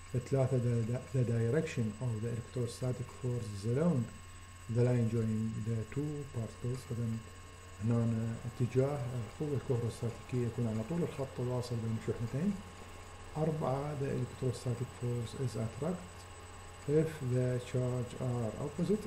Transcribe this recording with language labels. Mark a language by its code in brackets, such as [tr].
[en] ثلاثة the direction of the electrostatic force is along the line joining the two particles. [ar] إذن هنا اتجاه القوة الكهروستاتيكية يكون على طول الخط الواصل بين الشحنتين. [en] أربعة the electrostatic force is attracted if the charge are opposite.